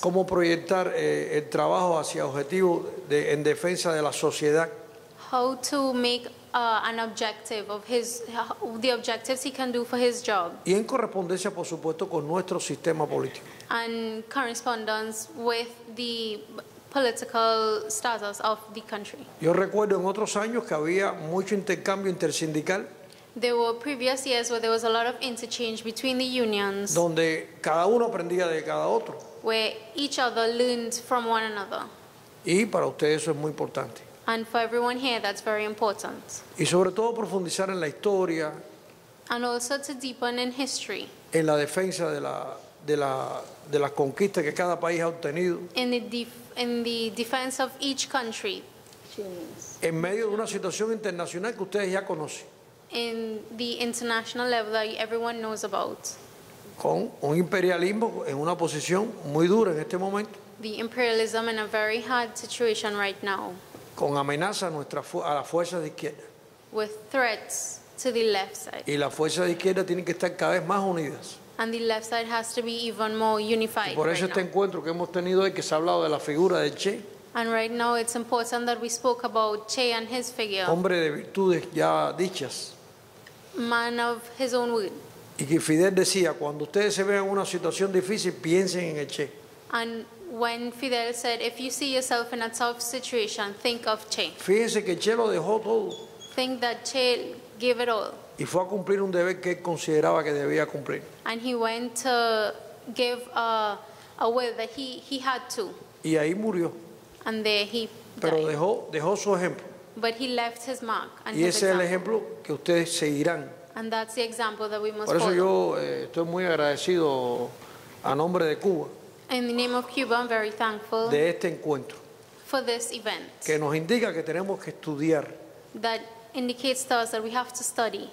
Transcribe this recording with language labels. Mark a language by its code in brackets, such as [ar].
[es] Cómo proyectar el trabajo hacia objetivos de, en defensa de la sociedad. [en] How to make an objective of his, the objectives he can do for his job. [es] Y en correspondencia, por supuesto, con nuestro sistema político. [en] And correspondence with the political status of the country. [es] Yo recuerdo en otros años que había mucho intercambio intersindical. [en] There were previous years where there was a lot of interchange between the unions. [es] Donde cada uno aprendía de cada otro. [en] Where each other learned from one another. [es] Y para ustedes eso es muy importante. [en] And for everyone here, that's very important. [es] Y sobre todo profundizar en la historia. [en] And also to deepen in history. [es] En la defensa de las conquistas que cada país ha obtenido. [en] In the defense of each country. [es] En medio de una situación internacional que ustedes ya conocen. [en] In the international level that everyone knows about. [es] Con un imperialismo en una posición muy dura en este momento. [en] The imperialism in a very hard situation right now. [es] Con amenaza a las fuerzas de izquierda. [en] With threats to the left side. [es] Y las fuerzas de izquierda tienen que estar cada vez más unidas. [en] And the left side has to be even more unified. [es] Y por eso [en] right este now. [es] Encuentro que hemos tenido hoy, que se ha hablado de la figura de Che. [en] And right now it's important that we spoke about Che and his figure. [es] Hombre de virtudes ya dichas. [en] Man of his own word. [es] Y que Fidel decía, cuando ustedes se vean en una situación difícil, piensen en el Che. [en] And when Fidel said, if you see yourself in a tough situation, think of Che. [es] Fíjense que Che lo dejó todo. [en] Think that Che gave it all. [es] Y fue a cumplir un deber que él consideraba que debía cumplir. [en] And he went to give a will that he had to. [es] Y ahí murió. [en] And there he died. [es] Pero dejó su ejemplo. [en] But he left his mark and [es] y [en] his [es] ese [en] example. [es] Es el ejemplo que ustedes seguirán. [en] And that's the example that we must [es] por eso [en] follow. [es] Yo estoy muy agradecido a nombre de Cuba. [en] In the name of Cuba, I'm very thankful. [es] De este encuentro. [en] For this event. [es] Que nos indica que tenemos que estudiar. [en] That indicates to us that we have to study.